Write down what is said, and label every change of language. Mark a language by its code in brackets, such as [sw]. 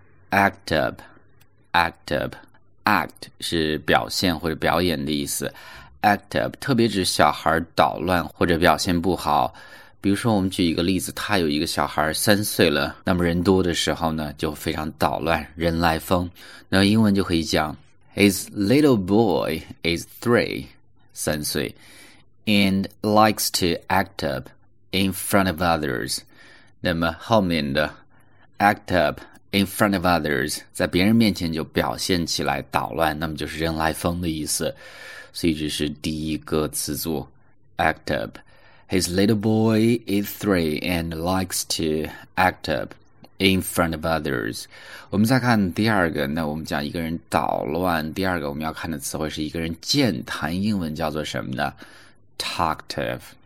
[zh] Act up, act up, act 是表现或者表演的意思。 Act up 特别指小孩捣乱或者表现不好。比如说，我们举一个例子，他有一个小孩3岁了，那么人多的时候呢，就非常捣乱，人来疯。那英文就可以讲 [en] ，His little boy is 3， [zh] 三岁， [en] and likes to act up in front of others。 [zh] 那么后面的 act up。 [en] In front of others, [zh] 在别人面前就表现起来捣乱，那么就是人来疯的意思。所以这是第一个词组 ,act up. [en] His little boy is 3 and likes to act up in front of others. [zh] 我们再看第二个，那我们讲一个人捣乱，第二个我们要看的词汇是一个人健谈，英文叫做什么呢？talkative.